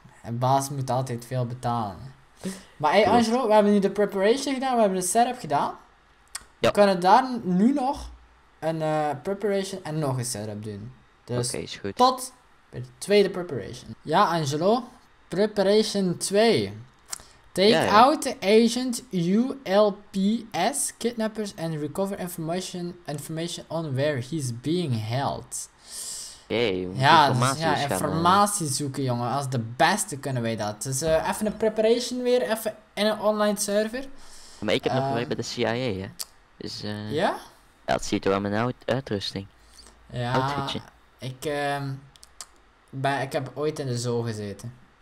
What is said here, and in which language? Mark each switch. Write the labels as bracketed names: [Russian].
[Dutch] En baas moet altijd veel betalen. Maar hey, Angelo, we hebben nu de preparation gedaan, we hebben de setup gedaan. Ja. We kunnen daar nu nog een preparation en nog een setup doen. Dus okay, is goed. Tot bij de tweede preparation. Ja, Angelo, preparation 2. [English] Take out the agent ULPS, kidnappers, and recover information on where he's being held. [Dutch] Hey, informatie zoeken, jongen. Als de beste kunnen wij dat. Dus even een preparation weer, even in een online server. Maar ik heb nog gewerkt bij de CIA, hè. Ja? Dus, dat ziet er wel mijn uitrusting. Ja, ik heb ooit in de zoo gezeten.